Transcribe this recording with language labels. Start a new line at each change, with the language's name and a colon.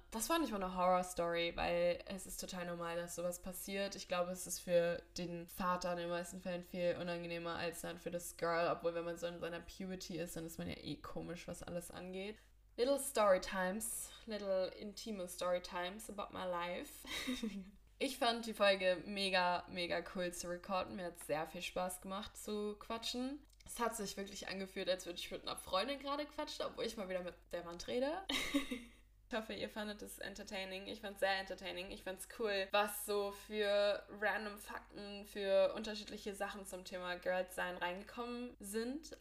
German: Das war nicht mal eine Horror-Story, weil es ist total normal, dass sowas passiert. Ich glaube, es ist für den Vater in den meisten Fällen viel unangenehmer als dann für das Girl. Obwohl, wenn man so in seiner Puberty ist, dann ist man ja eh komisch, was alles angeht.
English: Little story times, little intime story times about my life.
German: Ich fand die Folge mega, mega cool zu recorden. Mir hat sehr viel Spaß gemacht zu quatschen. Es hat sich wirklich angefühlt, als würde ich mit einer Freundin gerade quatschen, obwohl ich mal wieder mit der Wand rede. Ich hoffe, ihr fandet es entertaining. Ich fand es sehr entertaining. Ich fand es cool, was so für random Fakten, für unterschiedliche Sachen zum Thema Girls sein reingekommen sind.